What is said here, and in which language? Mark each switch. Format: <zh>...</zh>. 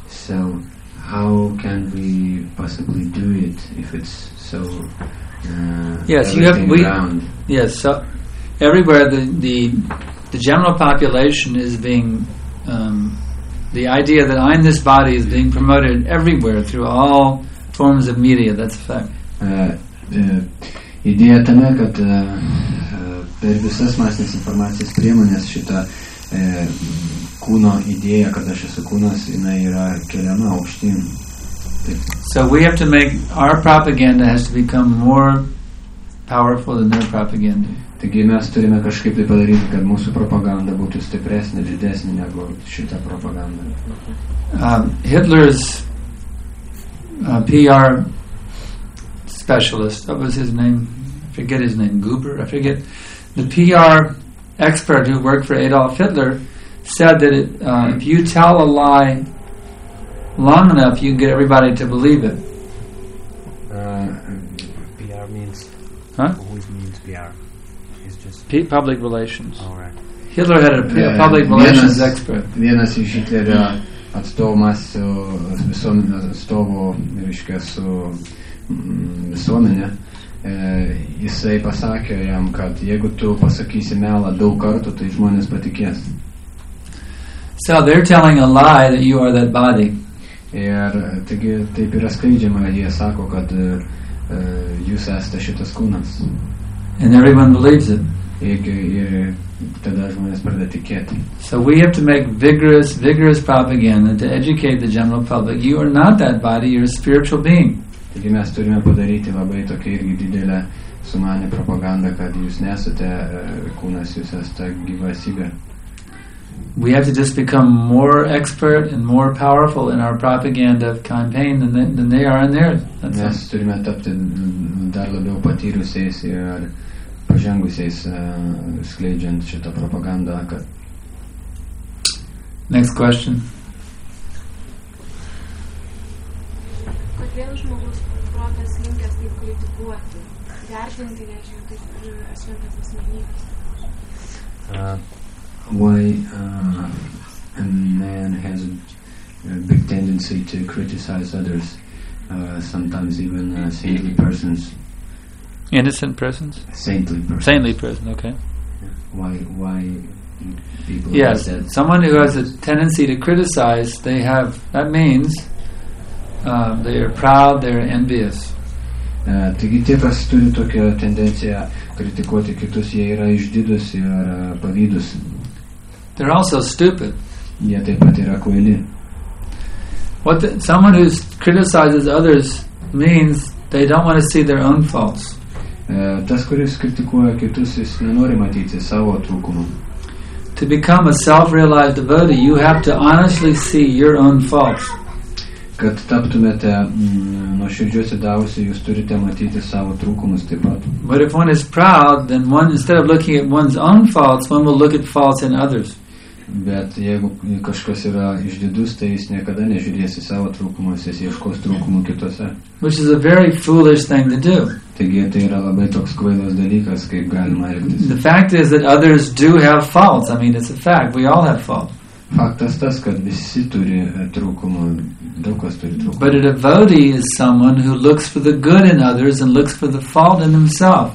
<en>So how can we possibly do it if it's so yes, you have around? Yes, so everywhere the general population is being the idea that I'm this body is being promoted everywhere through all forms of media. That's a fact.</en> <lt>Idėja tame, kad per visas masinės informacijos priemonės šita kūno idėja, kad aš esu kūnas, jinai yra keliama aukštyn.</lt> <en>So we have to make our propaganda has to become more powerful than their propaganda.</en> <lt>Taigi mes turime kažkaip tai padaryti, kad mūsų propaganda būtų stipresnė, didesnė negu šita propaganda.</lt> <en>Hitler's PR specialist, what was his name? I forget his name, Goober, I forget. The PR expert who worked for Adolf Hitler said that if you tell a lie long enough, you can get everybody to believe it. PR means... Huh? Always means PR. It's just... Public relations. All right. Hitler had a public relations expert.</en> <lt>Vienas iš Hitlerio atstovas su visuomenio atstovu, reiškia, su visuomenė, jisai pasakė jam, kad jeigu tu pasakysi melą daug kartų, tai žmonės patikės.</lt> <en>So they're telling a lie that you are that body.</en> <lt>Ir taigi taip yra skleidžiama, jie sako, kad jūs esate šitas kūnas.</lt> <en>And everyone believes it.</en> <lt>Ir tada žmonės pradeda tikėti.</lt> <en>So we have to make vigorous propaganda to educate the general public. You are not that body, you're a spiritual being.</en> <lt>Taigi mes turime padaryti labai tokią irgi didelę sumanę propagandą, kad jūs nesate kūnas, jūs esate gyvasybė.</lt> <en>We have to just become more expert and more powerful in our propaganda campaign than they are in theirs.</en> <lt>Mes turime tapti dar labiau patyrusiais ir pažengusiais skleidžiant šitą propagandą. Kad...</lt> <en>Next question.</en> <lt>Kodėl žmogus protas linkęs taip kritikuoti? Vertinti, reiškia, taip šventas asmenybės?</lt> <en>Why a man has a big tendency to criticize others, sometimes even saintly persons. Innocent persons? Saintly persons. Saintly person, okay. Why people yes, have that? Yes, someone who has a tendency to criticize, they have, that means they are proud, they are envious.</en> <lt>Taigi tie, kas turi tokią tendenciją kritikuoti kitus, jie yra išdidus ir pavydus.</lt> <en>They're also stupid.</en> <lt>Jie taip pat yra kvaili.</lt> <en>Someone who criticizes others means they don't want to see their own faults.</en> <lt>Tas, kuris kritikuoja kitus, jis nenori matyti savo trūkumų.</lt> <en>To become a self-realized devotee, you have to honestly see your own faults.</en> <lt>Kad taptumėte nuo širdžių atsidavusi, jūs turite matyti savo trūkumus taip pat.</lt> <en>But if one is proud, then one, instead of looking at one's own faults, one will look at faults in others.</en> <lt>Bet jeigu kažkas yra išdidus, tai jis niekada nežiūrės į savo trūkumus, jis ieškos trūkumų kitose.</lt> <en>Which is a very foolish thing to do.</en> <lt>Taigi tai yra labai toks kvailas dalykas, kaip galima elgtis.</lt> <en>The fact is that others do have faults. I mean, it's a fact. We all have faults.</en> <lt>Faktas tas, kad visi turi trūkumų, daug kas turi trūkumų.</lt> <en>But a devotee is someone who looks for the good in others and looks for the fault in himself.</en>